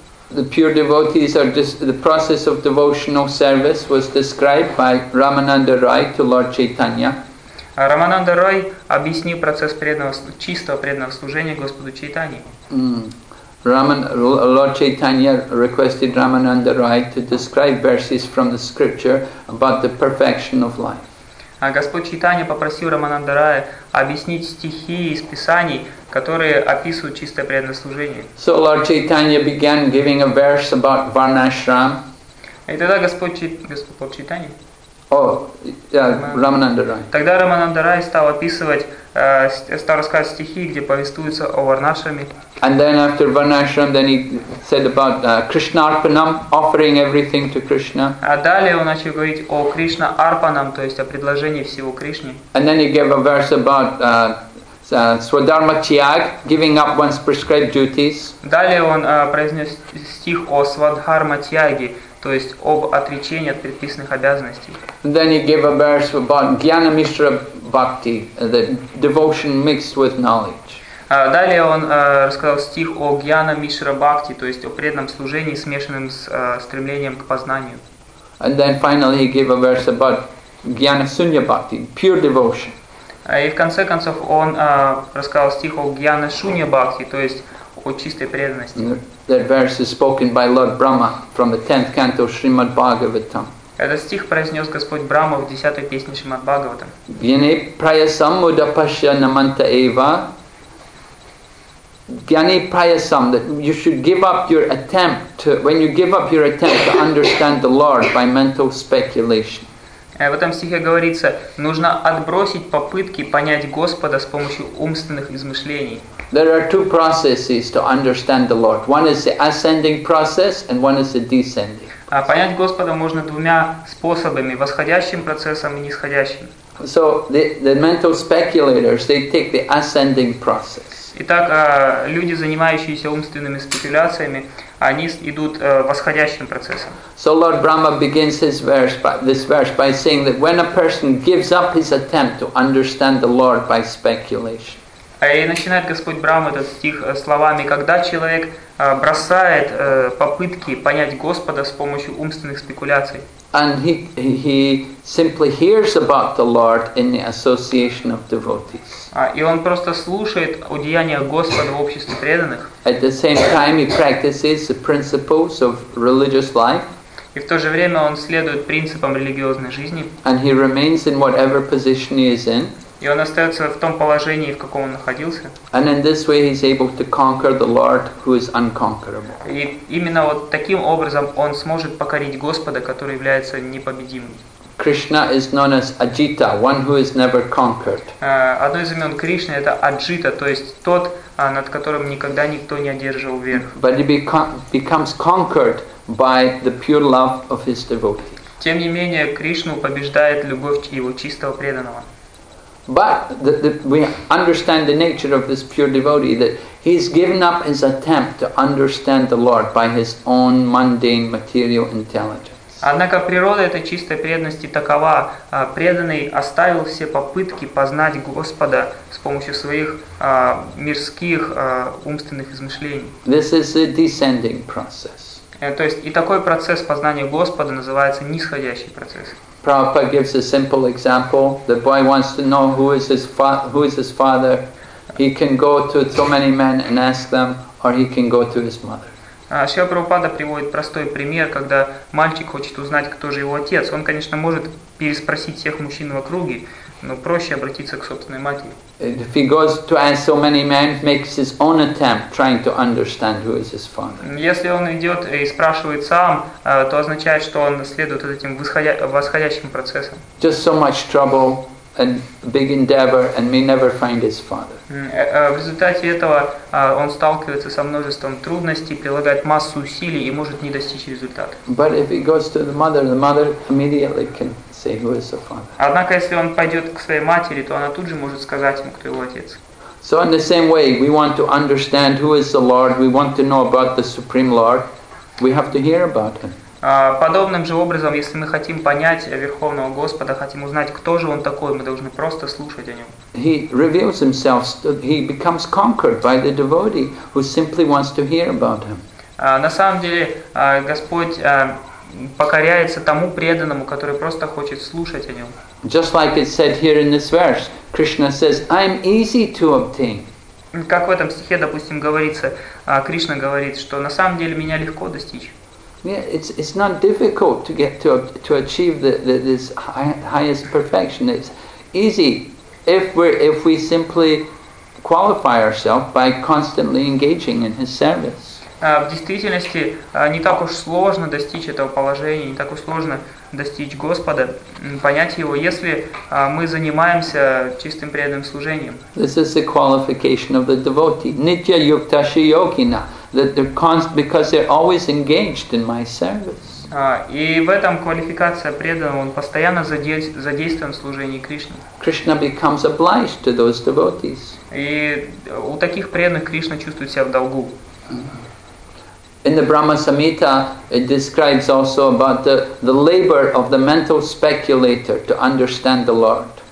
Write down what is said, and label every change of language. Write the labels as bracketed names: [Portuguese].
[English] The pure devotees are just the process of devotional service was described by Ramananda Roy to Lord Chaitanya. [Russian] Рамананда Рой объяснил процесс преданного, чистого преданного служения Господу Чайтани. [English] Lord Chaitanya requested Ramananda Roy to describe verses from the scripture about the perfection of life. [Russian] Господь Чайтанья попросил Рамананда Рая объяснить стихи из Писаний, которые описывают чистое преданное служение. [English] So Lord Chaitanya began giving a verse about Varnashram. [Russian] И тогда Господь Чайтанья? Рамананда Рая. Тогда Рамананда Рая стал описывать стал рассказывать стихи, где повествуется о Варнашраме. [English] And then after Varnashram, then he said about Krishnarpanam, offering everything to Krishna. [Russian] А далее он начал говорить о Кришнарпанам, то есть о предложении всего Кришне. [English] And then he gave a verse about Swadharma Tyag, giving up one's prescribed duties. [Russian] Далее он произнес стих о Свадхарма Тьяге, то есть об отречении от предписанных обязанностей. [English] And then he gave a verse about Gyana Mishra Bhakti, the devotion mixed with knowledge. [Russian] Далее он рассказал стих о Гьяна Мишра Бхакти, то есть о преданном служении, смешанном с стремлением к познанию. [English] And then finally he gave a verse about Gyana Sunya Bhakti, pure devotion. [Russian] И в конце концов он рассказал стих о Гьяна Шунья Бхакти, то есть о чистой преданности. [English] That verse is spoken by Lord Brahma from the 10th canto of Srimad Bhagavatam. [Russian] Этот стих произнес Господь Брама в 10-й песне Шримад Бхагаватам. [Sanskrit] Гьяне праясам удапашья наманта эйва. Gyani Prayasam, [English] that you should give up your attempt to, when you give up your attempt to understand the Lord by mental speculation. [Russian] В этом стихе говорится, нужно отбросить попытки понять Господа с помощью умственных измышлений. [English] There are two processes to understand the Lord. One is the ascending process and one is the descending. [Russian] Понять Господа можно двумя способами, восходящим процессом и нисходящим. [English] So the mental speculators, they take the ascending process. [Russian] Итак, люди, занимающиеся умственными спекуляциями, они идут восходящим процессом. [English] So Lord Brahma begins this verse by saying that when a person gives up his attempt to understand the Lord by speculation. [Russian] И начинает Господь Брама этот стих словами, когда человек бросает попытки понять Господа с помощью умственных спекуляций. [English] And he simply hears about the Lord in the association of devotees. [Russian] И он просто слушает о деяниях Господа в обществе преданных. [English] At the same time, he practices the principles of religious life. [Russian] И в то же время он следует принципам религиозной жизни. [English] And he remains in whatever position he is in. [Russian] И он остается в том положении, в каком он находился. [English] And in this way, he is able to conquer the Lord, who is unconquerable. [Russian] И именно вот таким образом он сможет покорить Господа, который является непобедимым. [English] Krishna is known as Ajita, one who is never conquered. [Russian] Одно из имен Кришны это Аджита, то есть тот, над которым никогда никто не одерживал верх. [English] But he becomes conquered by the pure love of his devotees. [Russian] Тем не менее, Кришну побеждает любовь его чистого преданного. [English] But we understand the nature of this pure devotee, that he's given up his attempt to understand the Lord by his own mundane material intelligence. [Russian] Однако природа этой чистой преданности такова, преданный оставил все попытки познать Господа с помощью своих мирских умственных измышлений. [English] This is a descending process. [Russian] То есть и такой процесс познания Господа называется нисходящий процесс. [English] Prabhupada gives a simple example. The boy wants to know who is his father. He can go to so many men and ask them, or he can go to his mother. [Russian] Шрила Прабхупада приводит простой пример, когда мальчик хочет узнать, кто же его отец. Он, конечно, может переспросить всех мужчин в округе, но проще обратиться к собственной матери. [English] If he goes to ask so many men, makes his own attempt, trying to understand who is his father. [Russian] Если он идет и спрашивает сам, то означает, что он следует этим восходящим процессам. [English] Just so much trouble and big endeavor, and may never find his father. [Russian] В результате этого он сталкивается со множеством трудностей, прилагает массу усилий и может не достичь результата. [English] But if he goes to the mother immediately can say who is the father. [Russian] Однако если он пойдет к своей матери, то она тут же может сказать ему, кто его отец. [English] So in the same way, we want to understand who is the Lord. We want to know about the Supreme Lord. We have to hear about him. [Russian] Подобным же образом, если мы хотим понять Верховного Господа, хотим узнать, кто же Он такой, мы должны просто слушать о Нем. [English] He reveals himself, he becomes conquered by the devotee who simply wants to hear about him. [Russian] На самом деле, Господь покоряется тому преданному, который просто хочет слушать о Нем. [English] Just like it said here in this verse, Krishna says, I am easy to obtain. [Russian] Как в этом стихе, допустим, говорится, Кришна говорит, что на самом деле меня легко достичь. [English] Yeah, it's not difficult to get to achieve this highest perfection. It's easy if we simply qualify ourselves by constantly engaging in his service. [Russian] В действительности не так уж сложно достичь этого положения, не так уж сложно достичь Господа, понять его, если мы занимаемся чистым преданным служением. [English] This is the qualification of the devotee. [Sanskrit] Nitya yuktashi yogina. [English] That they're because they're always engaged in my service. [Russian] И в этом квалификация преданного, он постоянно задействован в служении Кришне. [English] Krishna becomes obliged to those devotees. [Russian] И у таких преданных Кришна чувствует себя в долгу. [English] In the Brahma Samhita, it describes also about the labor of the mental speculator to understand the Lord.